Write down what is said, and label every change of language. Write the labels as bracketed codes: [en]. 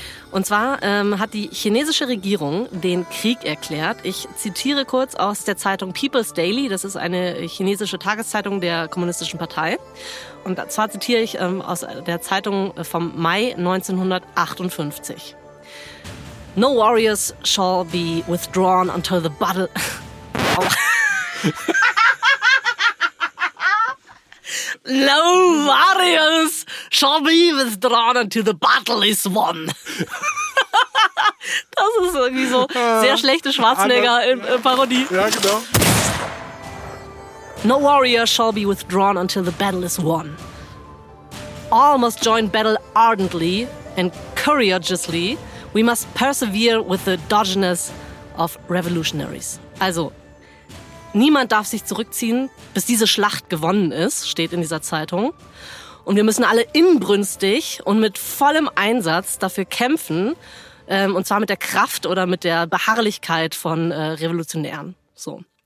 [de] Und zwar hat die chinesische Regierung den Krieg erklärt. Ich zitiere kurz aus der Zeitung People's Daily. Das ist eine chinesische Tageszeitung der Kommunistischen Partei. Und zwar zitiere ich aus der Zeitung vom Mai 1958. [en] No warriors shall be withdrawn until the battle. No warriors shall be withdrawn until the battle is won. [de] Das ist irgendwie so sehr schlechte Schwarzenegger-Parodie. Ja, genau. [en] No warrior shall be withdrawn until the battle is won. All must join battle ardently and courageously. We must persevere with the doggedness of revolutionaries. [de] Also, niemand darf sich zurückziehen, bis diese Schlacht gewonnen ist, steht in dieser Zeitung. Und wir müssen alle inbrünstig und mit vollem Einsatz dafür kämpfen, und zwar mit der Kraft oder mit der Beharrlichkeit von Revolutionären. So.